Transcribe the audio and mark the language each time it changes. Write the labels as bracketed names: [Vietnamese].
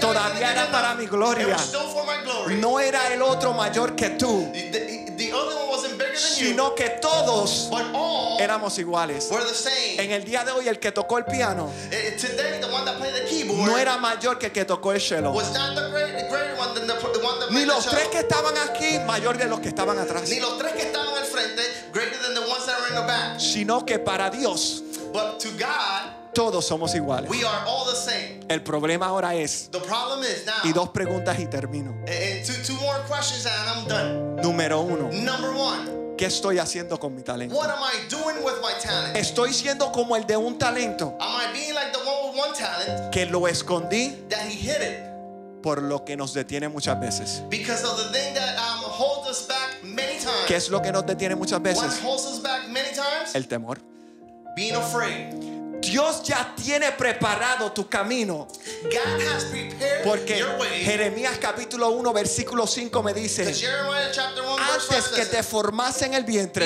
[Spanish] todavía era para mi gloria, [English] it was still for my glory, [Spanish] no era el otro mayor que tú, [English] the other one wasn't bigger than you, [Spanish] sino que todos, [English] but all, [Spanish] éramos iguales, [English] were the same. [Spanish] En el día de hoy el que tocó el piano, [English] today, the one that played the keyboard, [Spanish] no era mayor que el que tocó el cello, [English] was not the greater one than the one that [Spanish] ni los [English] the [Spanish] tres que estaban aquí mayor de los que estaban atrás, ni los tres que estaban al frente [English] greater than the ones that were in the back, [Spanish] sino que para Dios, [English] but to God, [Spanish] todos somos iguales. [English] We are all the same. [Spanish] El problema ahora es, [English] the problem is now, [Spanish] y dos preguntas y termino. [English] Two more questions and I'm done. [Spanish] Número uno. [English] Number one. [Spanish] ¿Qué estoy haciendo con mi talento? [English] What am I doing with my talent? [Spanish] ¿Estoy siendo como el de un talento? [English] Am I being like the one with one talent? [Spanish] Que lo escondí. [English] That he hid it. [Spanish] Por lo que nos detiene muchas veces. [English] Because of the thing that holds us back many times. [Spanish] ¿Qué es lo que nos detiene muchas veces? [English] What holds us back many times? [Spanish] El temor. [English] Being afraid. [Spanish] Dios ya tiene preparado tu camino. [English] God has prepared [Spanish] porque [English] your way. [Spanish] Jeremías capítulo 1 versículo 5 me dice, [English] Jeremiah, chapter 1, [Spanish] antes [English] verse [Spanish] que te formase en el vientre